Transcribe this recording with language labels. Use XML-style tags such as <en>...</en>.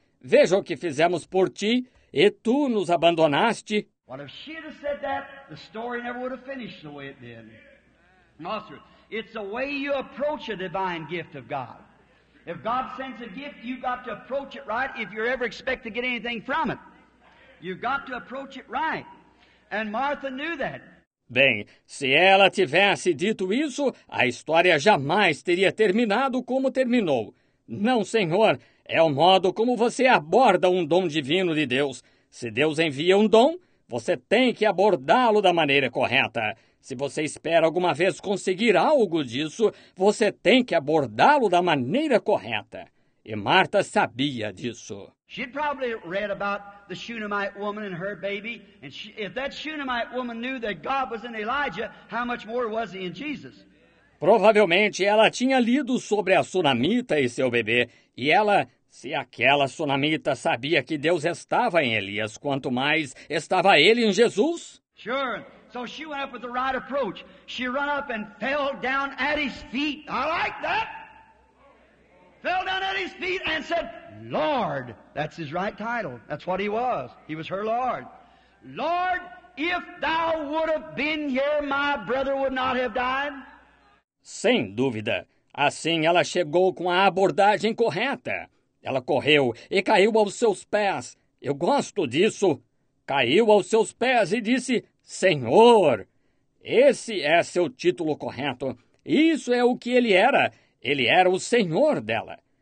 <pt>Veja o que fizemos por ti, e tu nos abandonaste.</pt> <en>What if she'd have said that, the story never would have finished the way it did. Nostra, it's the way you approach a divine gift of God. If God sends a gift, you've got to approach it right if you're ever expect to get anything from it. You've got to approach it right. And Martha knew that.</en> <pt>Bem, se ela tivesse dito isso, a história jamais teria terminado como terminou. Não, Senhor, é o modo como você aborda um dom divino de Deus. Se Deus envia um dom, você tem que abordá-lo da maneira correta. Se você espera alguma vez conseguir algo disso, você tem que abordá-lo da maneira correta. E Marta sabia disso.</pt> <en>She'd probably read about the Shunammite woman and her baby. And she, if that Shunammite woman knew that God was in Elijah, how much more was he in Jesus?</en> <pt>Provavelmente ela tinha lido sobre a Sunamita e seu bebê. E ela, se aquela Sunamita sabia que Deus estava em Elias, quanto mais estava ele em Jesus?</pt> <en>Sure. So she went up with the right approach. She ran up and fell down at his feet. I like that. Fell down at his feet and said, Lord, that's his right title. That's what he was. He was her Lord. Lord, if thou would have been here, my brother would not have died.</en> <pt>Sem dúvida. Assim ela chegou com a abordagem correta. Ela correu e caiu aos seus pés. Eu gosto disso. Caiu aos seus pés e disse, Senhor, esse é seu título correto. Isso é o que ele era. Ele era o Senhor dela.</pt>